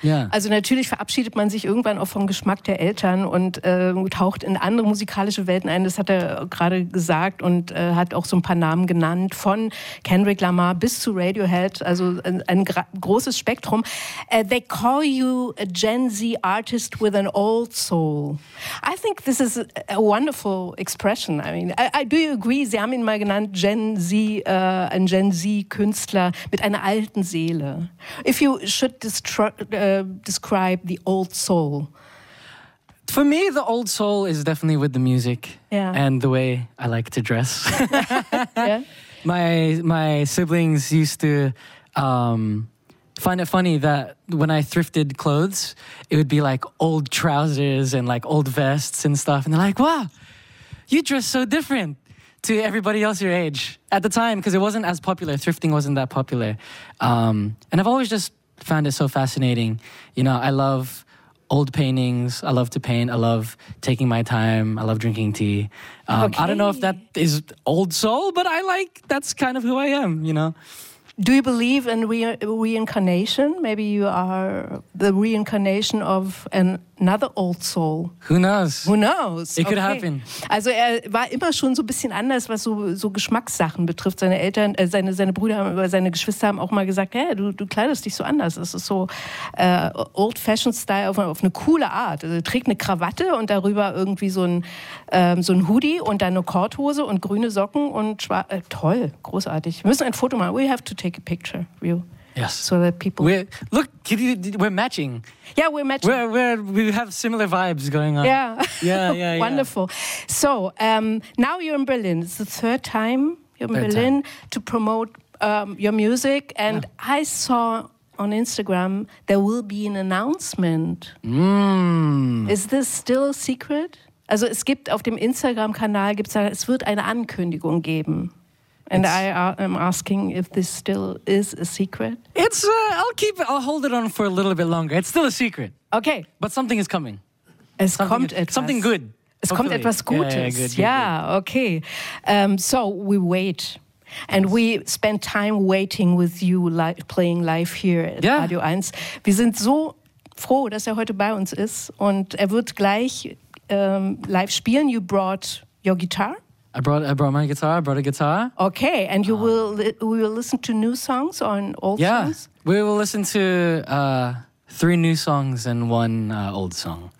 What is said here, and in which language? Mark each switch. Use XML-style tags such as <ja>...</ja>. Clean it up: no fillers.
<de>Also natürlich verabschiedet man sich irgendwann auch vom Geschmack der Eltern und taucht in andere musikalische Welten ein. Das hat er gerade gesagt und hat auch so ein paar Namen genannt, von Kendrick Lamar bis zu Radiohead, also ein großes Spektrum.</de> <en>They call you a Gen Z artist with an old soul. I think this is a wonderful expression. I mean, I do you agree?</en> <de>Sie haben ihn mal genannt Gen Z, ein Gen Z Künstler mit einer alten Seele.</de> <en>If you should describe the old soul. For me, the old soul is definitely with the music and the way I like to dress. My siblings used to find it funny that when I thrifted clothes, it would be like old trousers and like old vests and stuff. And they're like, wow, you dress so different to everybody else your age. At the time, because it wasn't as popular. Thrifting wasn't that popular. And I've always just found it so fascinating. You know, I love old paintings. I love to paint. I love taking my time. I love drinking tea. I don't know if that is old soul, but I like, that's kind of who I am, you know. Do you believe in reincarnation? Maybe you are the reincarnation of another old soul. Who knows? Who knows? It could happen.</en> <de>Also er war immer schon so ein bisschen anders, was so Geschmackssachen betrifft. Seine Eltern, seine Brüder oder seine Geschwister haben auch mal gesagt, hey, du kleidest dich so anders. Das ist so</de> <en>old-fashioned style</en> <de>auf eine coole Art. Also, er trägt eine Krawatte und darüber irgendwie so ein Hoodie und dann eine Korthose und grüne Socken und toll, großartig. Wir müssen ein Foto machen.</de> <en>We have to take a picture of you. Yes. So that people... We're matching. Yeah, we're matching. We have similar vibes going on. Yeah. Wonderful. So, now you're in Berlin. It's the third time you're in Berlin to promote your music. And I saw on Instagram there will be an announcement. Is this still a secret?</en> <de>Also, es gibt auf dem Instagram-Kanal, es wird eine Ankündigung geben.</de> <en>And I'm asking if this still is a secret. I'll hold it on for a little bit longer. It's still a secret. Okay. But something is coming. Something good.</en> <de>Es kommt etwas Gutes.</de> <en>Yeah, good. So we wait. And we spend time waiting with you playing live here at Radio 1.</en> <de>Wir sind so froh, dass er heute bei uns ist. Und er wird gleich live spielen.</de> <en>You brought your guitar. I brought a guitar. Okay, and we will listen to new songs or old songs? Yeah, we will listen to three new songs and one old song.</en>